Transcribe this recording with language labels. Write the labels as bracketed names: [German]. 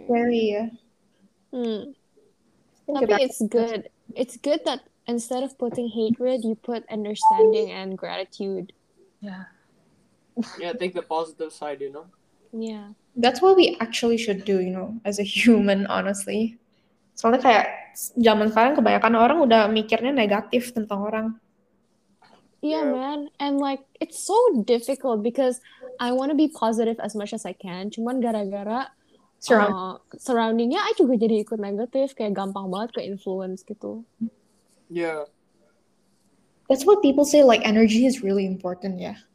[English] It's very, It's good that instead of putting hatred, you put understanding and gratitude. Yeah. Yeah, take the positive side, you know? Yeah. That's what we actually should do, you know, as a human, honestly. [Indonesian] Soalnya kayak zaman sekarang kebanyakan orang udah mikirnya negatif tentang orang. Yeah, man. [English] And like, it's so difficult because I want to be positive as much as I can. [Indonesian] Cuman gara-gara surroundingnya, I juga jadi ikut negatif. Kayak gampang banget ke influence gitu. [English] Yeah. That's what people say, like, energy is really important, yeah.